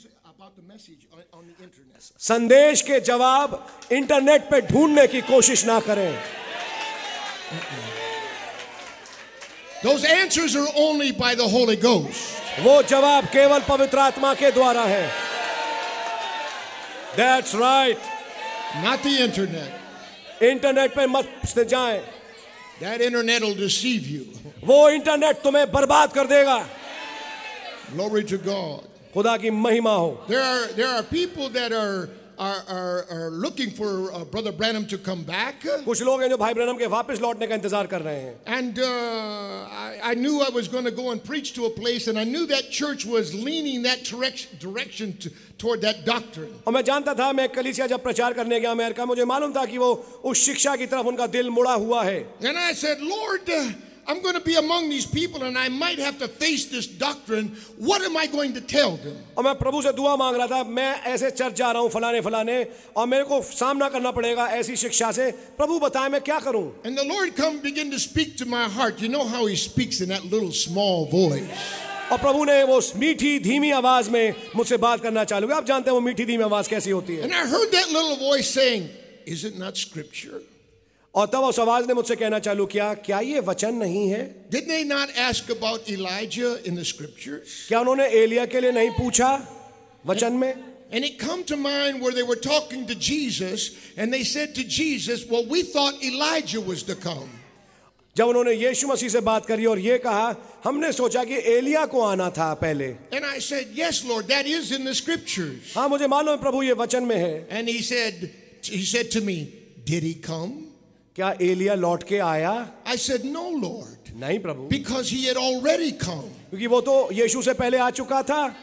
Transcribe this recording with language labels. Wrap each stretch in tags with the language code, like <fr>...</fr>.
<hi>संदेश के जवाब इंटरनेट पे ढूंढने की कोशिश ना करें.</hi> <en>Those answers are only by the Holy Ghost.</en> <hi>वो जवाब केवल पवित्र आत्मा के द्वारा है.</hi> <en>That's right. Not the internet.</en> <hi>Internet पे मत जाए.</hi> <en>That internet will deceive you.</en> <hi>वो इंटरनेट तुम्हें बर्बाद कर देगा.</hi> <en>Glory to God.</en> <hi>खुदा की महिमा हो.</hi> <en>There are people that are looking for Brother Branham to come back.</en> <hi>कुछ लोग हैं जो भाई ब्रैनम के वापस लौटने का इंतजार कर रहे हैं.</hi> <en>And I knew I was going to go and preach to a place, and I knew that church was leaning that direction toward that doctrine.</en> <hi>और मैं जानता था मैं कलीसिया जब प्रचार करने गया अमेरिका मुझे मालूम था कि वो उस शिक्षा की तरफ उनका दिल मुड़ा हुआ है.</hi> <en>And I said, Lord, I'm going to be among these people and I might have to face this doctrine. What am I going to tell them?</en> <hi>और मैं प्रभु से दुआ मांग रहा था मैं ऐसे चर्च जा रहा हूं फलाने फलाने और मेरे को सामना करना पड़ेगा ऐसी शिक्षा से प्रभु बताएं मैं क्या करूं.</hi> <en>And the Lord come begin to speak to my heart. You know how he speaks in that little small voice.</en> <hi>और प्रभु ने वो मीठी धीमी आवाज में मुझसे बात करना चालू किया. आप जानते हैं वो मीठी धीमी आवाज कैसी होती है.</hi> <en>And I heard that little voice saying, is it not scripture?</en> <hi>और तब उस आवाज ने मुझसे कहना चालू किया क्या ये वचन नहीं है.</hi> <en>Did they not ask about Elijah in the scriptures?</en> <hi>क्या उन्होंने एलिया के लिए नहीं पूछा वचन में.</hi> <en>And it came to mind where they were talking to Jesus and they said to Jesus, well, we thought Elijah was to come.</en> <hi>जब उन्होंने यीशु मसीह से बात करी और ये कहा हमने सोचा कि एलिया को आना था पहले.</hi> <en>And I said, yes, Lord, that is in the scriptures.</en> <hi>हाँ मुझे मालूम है प्रभु ये वचन में है.</hi> <en>And he said to me, did he come?</en> <hi>क्या एलिया लौट के आया.</hi> <en>I said, no, Lord.</en> <hi>नहीं प्रभु.</hi> <en>Because he had already come.</en> <hi>क्योंकि वो तो यीशु से पहले आ चुका था.</hi>